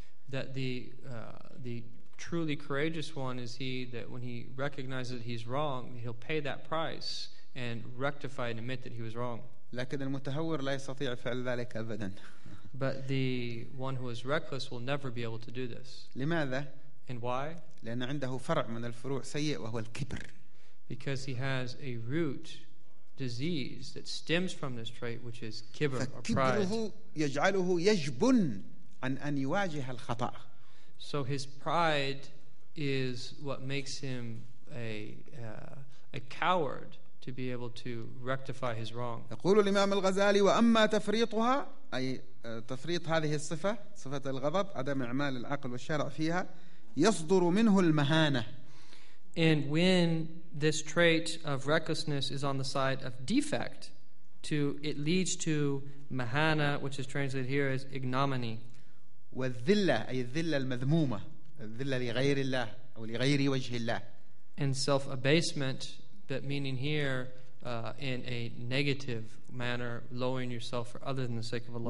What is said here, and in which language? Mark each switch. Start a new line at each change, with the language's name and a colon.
English: That the truly courageous one is he that when he recognizes he's wrong, he'll pay that price and rectify and admit that he was wrong.
Arabic: لكن المتهور لا يستطيع فعل ذلك أبدا.
English: But the one who is reckless will never be able to do this.
Arabic: لماذا؟
English: And why?
Arabic: لأن عنده فرع من الفروع سيء وهو الكبر.
English: Because he has a root disease that stems from this trait, which is kibr or pride.
Arabic: فكبره يجعله يجبن عن أن يواجه الخطأ.
English: So his pride is what makes him a coward to be able to rectify his wrong.
Arabic: يقول الإمام الغزالي وأما تفريطها، أي تفريط هذه الصفة، صفة الغضب، عدم إعمال العقل والشرع فيها، يصدر منه المهانة.
English: And when this trait of recklessness is on the side of defect, it leads to mahana, which is translated here as ignominy.
Arabic: والذلة، أي الذلة المذمومة، الذلة لغير الله أو لغير وجه الله.
English: And self-abasement, but meaning here in a negative manner, lowering yourself for other than the sake of Allah.